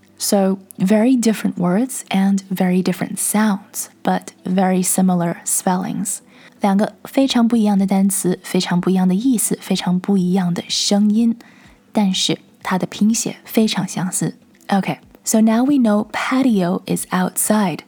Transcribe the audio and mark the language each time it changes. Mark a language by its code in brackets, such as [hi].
[en] So very different words and very different sounds, but very similar spellings. [zh] 两个非常不一样的单词，非常不一样的意思，非常不一样的声音，但是它的拼写非常相似。 [en] Okay, so now we know patio is outside.